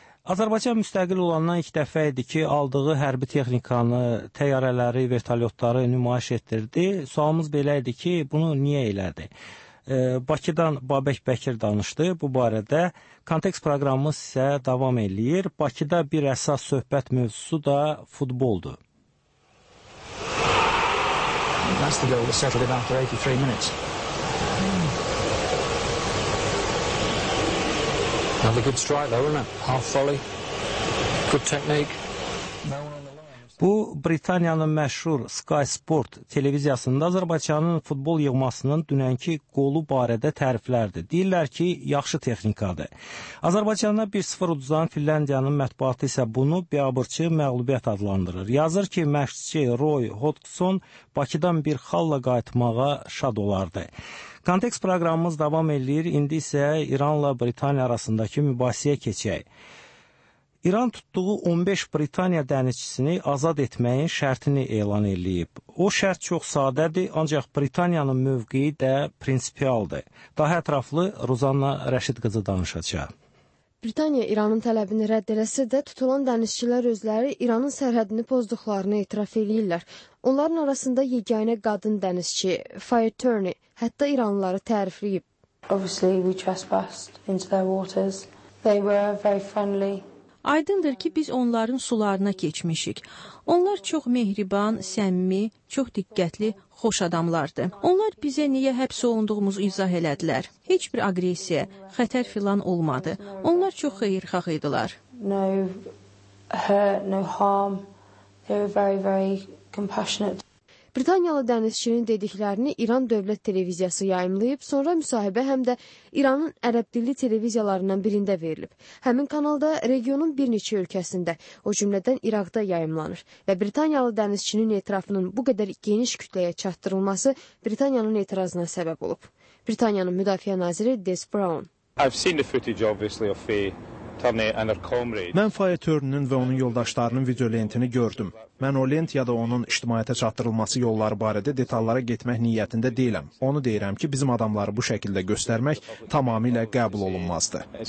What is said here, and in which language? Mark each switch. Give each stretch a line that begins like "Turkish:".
Azerbaijani: Azərbaycan müstəqil olandan ilk dəfə idi ki, aldığı hərbi texnikanı, təyyarələri, vertolyotları nümayiş etdirdi. Sualımız belə idi ki, bunu niyə elədi? Bakıdan Babək Bəkir danışdı bu barədə. Kontekst proqramımız isə davam eləyir. Bakıda bir əsas söhbət mövzusu da futboldur.
English: That's the goal that settled it after 83 minutes. Another good strike though, isn't it? Half volley. Good technique.
Azerbaijani: Bu, Britaniyanın məşhur Sky Sport televiziyasında Azərbaycanın futbol yığmasının dünənki qolu barədə təriflərdir. Deyirlər ki, yaxşı texnikadır. Azərbaycanına 1-0 uduzan Finlandiyanın mətbuatı isə bunu biabırçı məğlubiyyət adlandırır. Yazır ki, məşqçi Roy Hodgson Bakıdan bir xalla qayıtmağa şad olardı. Kontekst proqramımız davam edir, indi isə İranla Britaniya arasındakı mübahisəyə keçək. İran tutduğu 15 Britaniya dənizçisini azad etməyin şərtini elan edib. O şərt çox sadədir, ancaq Britaniyanın mövqeyi də prinsipialdır. Daha ətraflı Ruzanna Rəşid qızı danışacaq. Britaniya İranın tələbini rədd eləsə də tutulan dənizçilər özləri İranın sərhədini pozduqlarını etiraf edirlər. Onların arasında yeganə qadın dənizçi, Fire Turney, hətta İranlıları tərifləyib.
English: Obviously we trespassed into their waters. They were very friendly.
Azerbaijani: Aydındır ki, biz onların sularına keçmişik. Onlar çox mehriban, səmimi, çox diqqətli, xoş adamlardı. Onlar bizə niyə həbs olunduğumuzu izah elədilər. Heç bir aqressiya, xətər filan olmadı. Onlar çox xeyirxah idilər.
English: No hurt, no harm. They were very, very compassionate.
Azerbaijani: Britaniyalı dənizçinin dediklərini İran dövlət televiziyası yayımlayıb, sonra müsahibə həm də İranın ərəb dilli televiziyalarından birində verilib. Həmin kanalda regionun bir neçə ölkəsində, o cümlədən İraqda yayımlanır və Britaniyalı dənizçinin etirafının bu qədər geniş kütləyə çatdırılması Britaniyanın etirazına səbəb olub. Britaniyanın müdafiə naziri Des Brown.
English: I've seen the footage obviously of Turney and her comrades.
Azerbaijani: Mən Fire Turney'nin və onun yoldaşlarının video lentini gördüm. Mən o lent ya da onun ictimaiyyətə çatdırılması yolları barədə detallara getmək niyyətində deyiləm. Onu deyirəm ki, bizim adamları bu şəkildə göstərmək tamamilə qəbul olunmazdır.